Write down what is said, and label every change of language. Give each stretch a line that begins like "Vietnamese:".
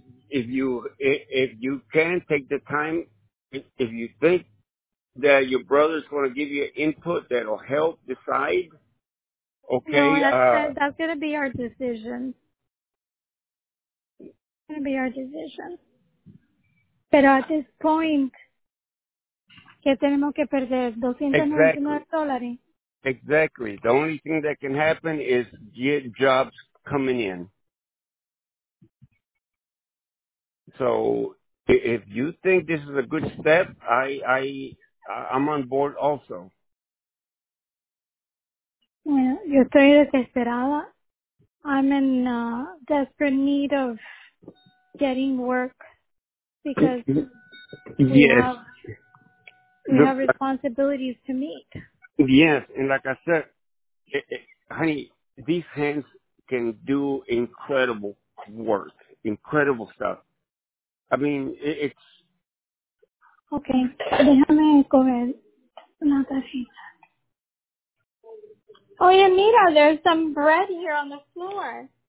English: If you can take the time, if you think that your brother's going to give you input that'll help decide, okay? No, that's going to be our decision. It's going to be our decision.
Spanish: Pero
English: at this point,
Spanish: ¿qué tenemos que perder?
English: $299. Exactly. The only thing that can happen is get jobs coming in. So if you think this is a good step, I'm on board also.
Spanish: Bueno, yo estoy desesperada.
English: I'm in desperate need of getting work because we have responsibilities to meet. Yes, and like I said, honey, these hands can do incredible work, incredible stuff. I mean, it's...
Spanish: Okay, déjame coger una tarjeta. Oye, mira,
English: there's some bread here on the floor.